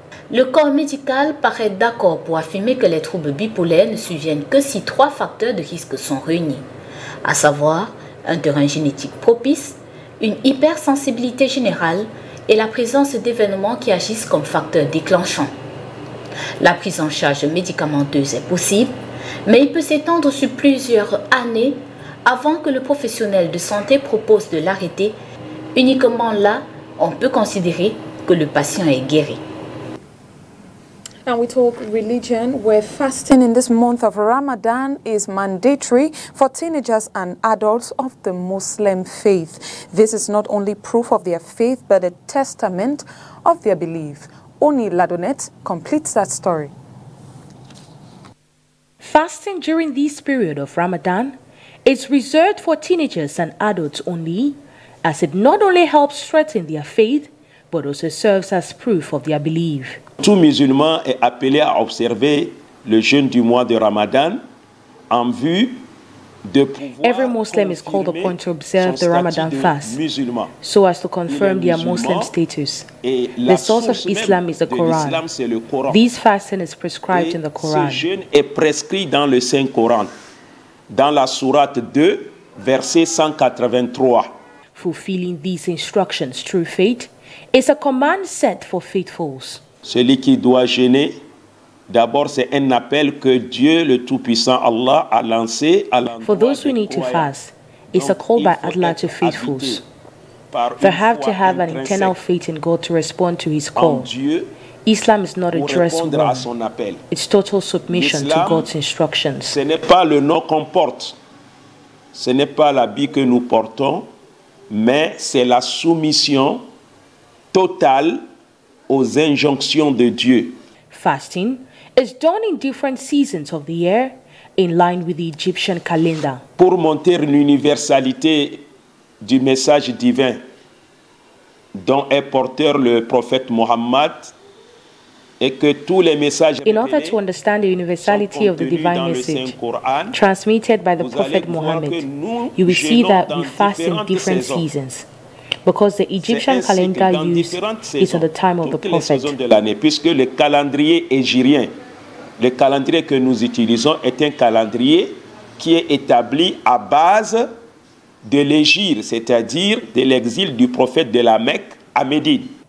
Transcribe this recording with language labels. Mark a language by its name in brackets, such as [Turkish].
[French] Le corps médical paraît d'accord pour affirmer que les troubles bipolaires ne surviennent que si trois facteurs de risque sont réunis, à savoir un terrain génétique propice, une hypersensibilité générale et la présence d'événements qui agissent comme facteurs déclenchants. La prise en charge médicamenteuse est possible, mais il peut s'étendre sur plusieurs années avant que le professionnel de santé propose de l'arrêter. Uniquement là, on peut considérer que le patient est guéri. [English] And we talk religion, where fasting in this month of Ramadan is mandatory for teenagers and adults of the Muslim faith. This is not only proof of their faith, but a testament of their belief. Oni Ladonet completes that story. Fasting during this period of Ramadan is reserved for teenagers and adults only, as it not only helps strengthen their faith, but also serves as proof of their belief. [French] Tout musulman est appelé à observer le jeûne du mois de Ramadan en vue de pouvoir. [English] Every Muslim is called upon to observe the Ramadan fast so as to confirm their Muslim status. The source of Islam is the Quran. This fasting is prescribed in the Quran. [French] Ce jeûne est prescrit dans le Saint Coran, dans la sourate 2, verset 183. [English] Fulfilling these instructions through faith is a command set for faithfuls. [French] Celui qui doit jeûner, d'abord c'est un appel que Dieu le Tout-Puissant Allah a lancé à l'endroit. [English] For those who need to fast, it's a call by Allah to faithfuls. They have to have an internal faith in God to respond to His call. Islam is not a dress code. It's total submission to God's instructions. [French] Ce n'est pas le nom qu'on porte, ce n'est pas l'habit que nous portons, mais c'est la soumission totale aux injonctions de Dieu. [English] Fasting is done in different seasons of the year in line with the Egyptian calendar. [French] Pour montrer l'universalité du message divin dont est porteur le prophète Mohammed et que tous les messages [English] in order to understand the universality of the divine message Quran, transmitted by the prophet Mohammed, you will see that we fast in different seasons. Because the Egyptian calendar used is at the time of the prophet. [French] De l'année, puisque le calendrier égyptien, le calendrier que nous utilisons est un calendrier qui est établi à base de l'égir, c'est-à-dire de l'exil du prophète de la Mecque à Médine.